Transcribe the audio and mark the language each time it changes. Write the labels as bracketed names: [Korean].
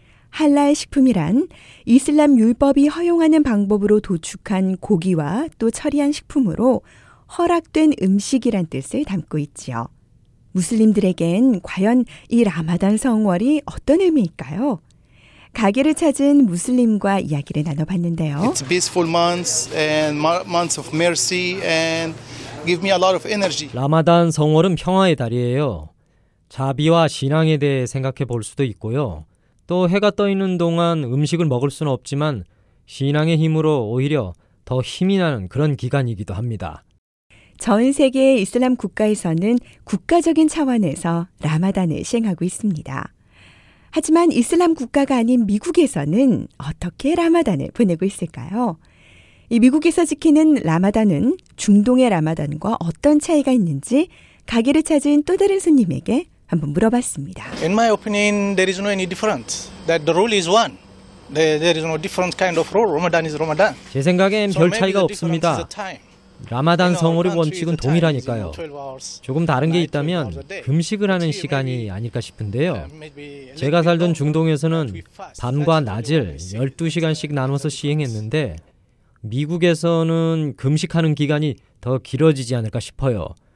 [Korean] 할랄 식품이란 이슬람 율법이 허용하는 방법으로 도축한 고기와 또 처리한 식품으로 허락된 음식이란 뜻을 담고 있지요. 무슬림들에겐 과연 이 라마단 성월이 어떤 의미일까요? 가게를 찾은 무슬림과 이야기를 나눠봤는데요. [English] It's peaceful months and months of mercy and give me a lot of energy. [Korean] 라마단 성월은 평화의 달이에요. 자비와 신앙에 대해 생각해 볼 수도 있고요. 또 해가 떠 있는 동안 음식을 먹을 수는 없지만 신앙의 힘으로 오히려 더 힘이 나는 그런 기간이기도 합니다. 전 세계의 이슬람 국가에서는 국가적인 차원에서 라마단을 시행하고 있습니다. 하지만 이슬람 국가가 아닌 미국에서는 어떻게 라마단을 보내고 있을까요? 이 미국에서 지키는 라마단은 중동의 라마단과 어떤 차이가 있는지 가게를 찾은 또 다른 손님에게 한번 물어봤습니다. [English] In my opinion, there is no any difference. That the rule is one. There is no different kind of rule. Ramadan is Ramadan. [Korean] 제 생각엔 별 차이가 없습니다. 라마단 성월의 원칙은 동일하니까요. 조금 다른 게 있다면 금식을 하는 시간이 아닐까 싶은데요. 제가 살던 중동에서는 밤과 낮을 12시간씩 나눠서 시행했는데 미국에서는 금식하는 기간이 더 길어지지 않을까 싶어요.